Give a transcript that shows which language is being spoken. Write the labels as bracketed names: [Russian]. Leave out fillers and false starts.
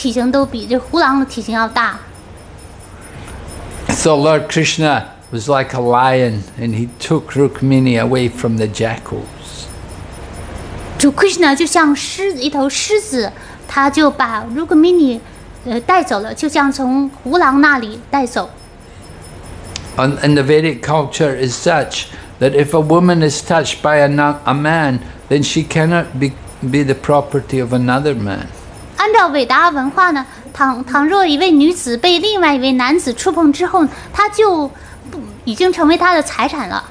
[Chinese] 在马普有很多狐狼，狐狼的体型不大，甚至连狗的体型都比这狐狼的体型要大。 [English] So Lord Krishna was like a lion, and he took Rukmini away from the jackals. [Chinese] 主Krishna就像一头狮子，他就把 Rukmini 带走了，就像从狐狼那里带走。 [English] And the Vedic culture is such that if a woman is touched by a man, then she cannot be the property of another man. [Chinese] 按照伟达文化呢， 倘若一位女子被另外一位男子触碰之后， 她就已经成为她的财产了。